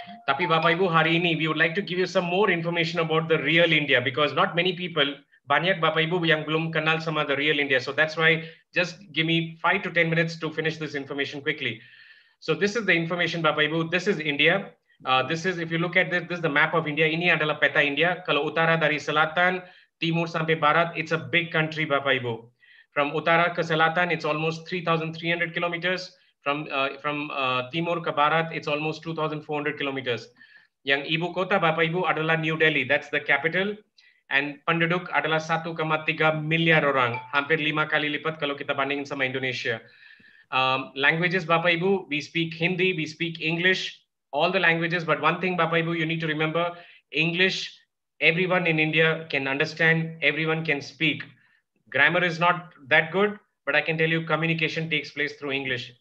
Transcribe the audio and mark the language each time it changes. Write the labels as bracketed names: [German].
[Indonesian] Tapi Bapak Ibu hari ini, [English] we would like to give you some more information about the real India, because not many people, [Indonesian] banyak Bapak Ibu yang belum kenal sama [English] the real India. So that's why, just give me 5 to 10 minutes to finish this information quickly. So this is the information, Bapak Ibu. This is India. This is, if you look at this, this is the map of India. [Indonesian] Ini adalah peta India. Kalau utara dari selatan, timur sampai barat, [English] it's a big country, [Indonesian] Bapak Ibu. [English] From [Indonesian] utara ke selatan, [English] it's almost 3,300 kilometers. From [Indonesian] timur ke barat, [English] it's almost 2,400 kilometers. [Indonesian] Yang ibu kota, Bapak Ibu, adalah New Delhi. [English] That's the capital. And [Indonesian] penduduk adalah 1.3 miliar orang, hampir 5 kali lipat kalau kita bandingin sama Indonesia. [English] Languages, Bapak Ibu, we speak Hindi, we speak English, all the languages, but one thing, Bapak Ibu, you need to remember, English, everyone in India can understand, everyone can speak. Grammar is not that good, but I can tell you communication takes place through English.